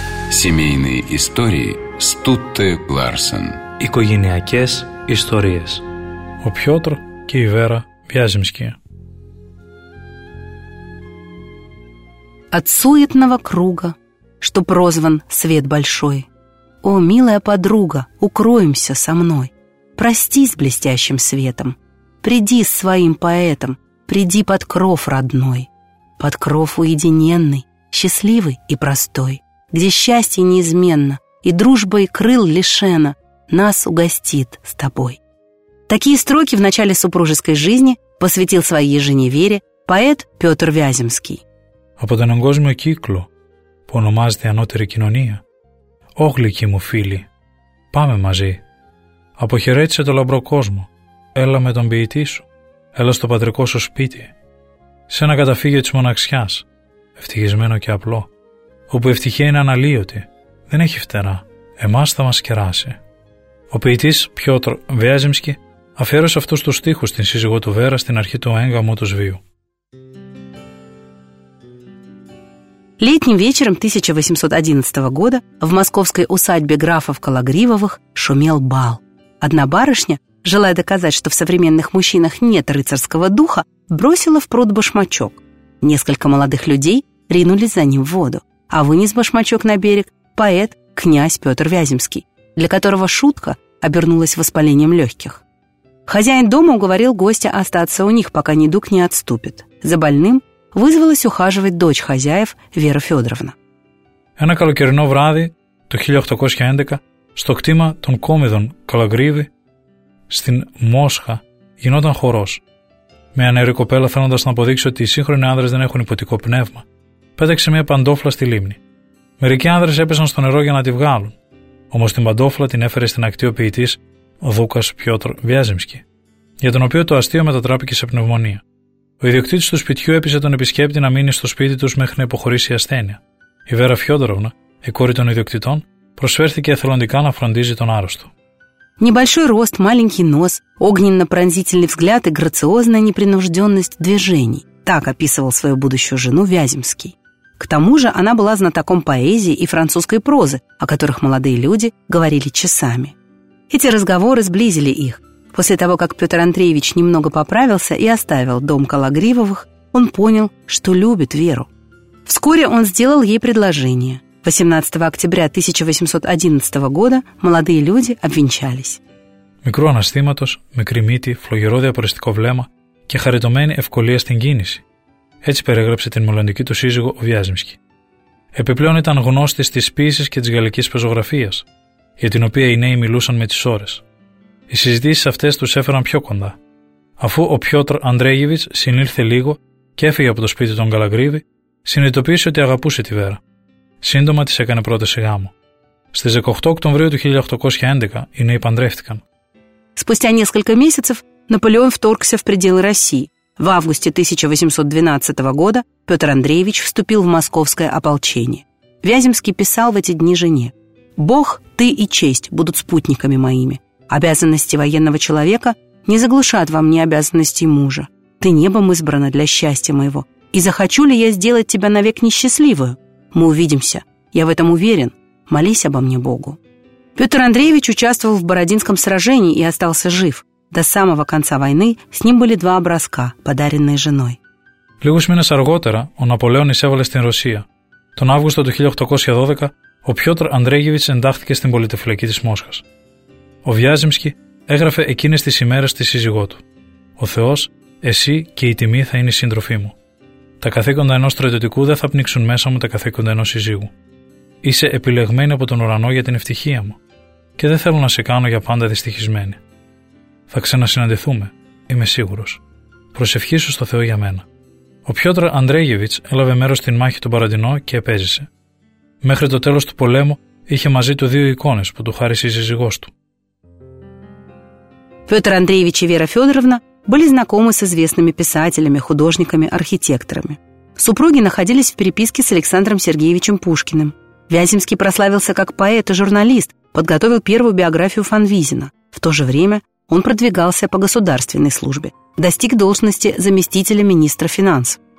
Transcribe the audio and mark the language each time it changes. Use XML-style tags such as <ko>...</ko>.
<ru>Семейные истории Стутте Ларсен.</ru> <el>Οικογενειακές ιστορίες. Ο Πιότρ και η Βέρα Βιάζιμσκι.</el> <ru>От суетного круга, что прозван свет большой. О, милая подруга, укроемся со мной. Прости с блестящим светом. Приди с своим поэтом. Приди под кров родной. Под кров уединенный, счастливый и простой. Где счастье неизменно и дружбой крыл лишено нас угостит с тобой. Такие строки в начале супружеской жизни посвятил своей жене Вере поэт Петр Вяземский.</ru> <el>Από τον εγκόσμιο κύκλο που ονομάζεται ανώτερη κοινωνία, ο γλυκοί μου φίλοι, πάμε μαζί. Αποχαιρέτησε το λαμπρό κόσμο, έλα με τον ποιητή σου, έλα στο πατρικό σου σπίτι, σε ένα καταφύγιο της μοναξιάς, ευτυχισμένο και απλό, όπου ευτυχία είναι αναλύωτη, δεν έχει φτερά, εμάς θα μας κεράσει. Ο ποιητής Πιότρ Βιάζιμσκι αφιέρωσε αυτούς τους στίχους στην σύζυγό του Βέρα στην αρχή του έγγαμου του βίου.</el> <ru>Летним вечером 1811 года в московской усадьбе графов Кологривовых шумел бал. Одна барышня, желая доказать, что в современных мужчинах нет рыцарского духа, бросила в пруд башмачок. Несколько молодых людей ринулись за ним в воду. А вынес башмачок на берег поэт князь Петр Вяземский, для которого шутка обернулась воспалением легких. Хозяин дома уговорил гостя остаться у них, пока недуг не отступит. За больным вызвалась ухаживать дочь хозяев Вера Федоровна.</ru> <el>Ένα καλοκαιρινό βράδυ το 1811 στο κτήμα των Κόμιδων Καλαγκρίβη στην Μόσχα γινόταν χορός. Μια νεαρή κοπέλα θέλοντας να αποδείξει ότι οι σύγχρονοι άνδρες δεν έχουν υποτικό πνεύμα πέταξε μια παντόφλα στη λίμνη. Μερικοί άνδρες έπεσαν στο νερό για να τη βγάλουν. όμως την παντόφλα την έφερε στην ακτή ο ποιητής Δούκας Πιότρ Βιάζιμσκι, για τον οποίο το αστείο μετατράπηκε σε πνευμονία. Ο ιδιοκτήτης του σπιτιού έπεισε τον επισκέπτη να μείνει στο σπίτι τους μέχρι να υποχωρήσει η ασθένεια. Η Βέρα Φιόντοροβνα, η κόρη των ιδιοκτητών, προσφέρθηκε εθελοντικά να φροντίζει τον άρρωστο.</el> <ru>Небольшой рост, маленький нос, огненно-пронзительный взгляд и грациозная непринужденность движений – так описывал свою будущую жену Вяземский. К тому же она была знатоком поэзии и французской прозы, о которых молодые люди говорили часами. Эти разговоры сблизили их. После того, как Петр Андреевич немного поправился и оставил дом Калагривовых, он понял, что любит Веру. Вскоре он сделал ей предложение – 18 октября 1811 года молодые люди обвенчались.</ru> <el>Μικρού αναστήματος, μικρή μύτη, φλογερό διαπεριστικό βλέμμα και χαριτωμένη ευκολία στην κίνηση. Έτσι περιέγραψε την μελλοντική του σύζυγο ο Βιάζιμσκι. Επιπλέον ήταν γνώστης της ποίησης και της γαλλικής πεζογραφίας, για την οποία οι νέοι μιλούσαν με τις ώρες. Οι συζητήσεις αυτές τους έφεραν πιο κοντά. Αφού ο Πιότρ Αντρέγεβιτς συνήλθε λίγο και έφυγε από το σπίτι των Καλαγκρίβη, συνειδητοποίησε ότι αγαπούσε τη Βέρα. Σύντομα της έκανε πρόταση γάμου. Στις 18 Οκτωβρίου του 1811 οι νέοι παντρεύτηκαν.</el> <ru>Спустя несколько месяцев Наполеон вторгся в пределы России. В августе 1812 года Петр Андреевич вступил в московское ополчение. Вяземский писал в эти дни жене: «Бог, ты и честь будут спутниками моими. Обязанности военного человека не заглушат во мне обязанностей мужа. Ты небом избрана для счастья моего. И захочу ли я сделать тебя навек несчастливую? Мы увидимся. Я в этом уверен. Молись обо мне Богу». Петр Андреевич участвовал в Бородинском сражении и остался жив. До самого конца войны с ним были два образка, подаренные женой.</ru> <el>Λίγους μήνες αργότερα, ο Ναπολέον εισέβαλε στην Ρωσία. Τον Αύγουστο του 1812, ο Πιότρ Αντρέγεβιτς εντάχθηκε στην πολιτεφυλακή της Μόσχας. Ο Βιάζιμσκι έγραφε εκείνες τις ημέρες στη σύζυγό του: «Ο Θεός, εσύ και η τιμή θα είναι η σύντροφή μου. Τα καθήκοντα ενός στρατιωτικού δεν θα πνίξουν μέσα μου τα καθήκοντα ενός σύζυγου. Είσαι επιλεγμένη από τον ουρανό για την ευτυχία μου και δεν θέλω να σε κάνω για πάντα δυστυχισμένη. Θα ξανασυναντηθούμε, είμαι σίγουρος. Προσευχήσου στο Θεό για μένα». Ο Πιότρ Αντρέγεβιτς έλαβε μέρος στην μάχη του Μπαραντινό και επέζησε. Μέχρι το τέλος του πολέμου είχε μαζί του δύο εικόνες που του χάρισε η σύζυγός του.</el> <ru>Πιότρ Αντρέγεβιτς και Βέρα Φιόντοροβνα были знакомы с известными писателями, художниками, архитекторами. Супруги находились в переписке с Александром Сергеевичем Пушкиным. Вяземский прославился как поэт и журналист, подготовил первую биографию фон Визина. В то же время он продвигался по государственной службе, достиг должности заместителя министра финансов.</ru>